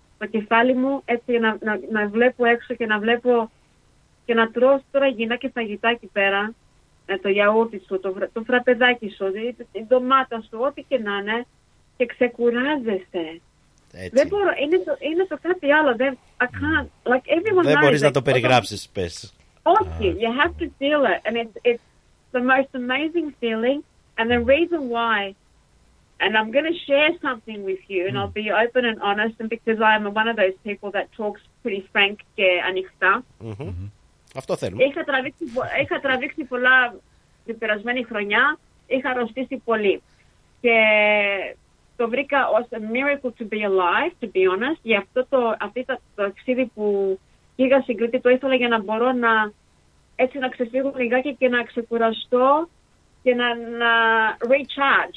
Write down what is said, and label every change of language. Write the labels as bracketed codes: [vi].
[el] Το κεφάλι μου έτσι να βλέπω έξω και να βλέπω και να τρώω τώρα γυνά και φαγητά εκεί πέρα. Το γιαούρτι σου, το φραπεδάκι σου, την ντομάτα σου, ό,τι και να είναι, και ξεκουράζεσαι. Έτσι. Δεν μπορώ, είναι το κάτι άλλο. Δεν μπορείς να το περιγράψεις, πες. Όχι, [en] you have to feel it. And it's the most amazing feeling. And the reason why, and I'm going to share something with you, and I'll be open and honest, and because I'm one of those people that talks pretty frank [el] και ανοιχτά. Αυτό θέλουμε. Είχα τραβήξει πολλά την περασμένη χρονιά, είχα αρρωστήσει πολύ. Και το βρήκα ως [en] a miracle to be alive, to be honest. [el] Γι' αυτό το ταξίδι που πήγα στην Κρήτη, το ήθελα για να μπορώ να έτσι να ξεφύγω λιγάκι και να ξεκουραστώ και να recharge.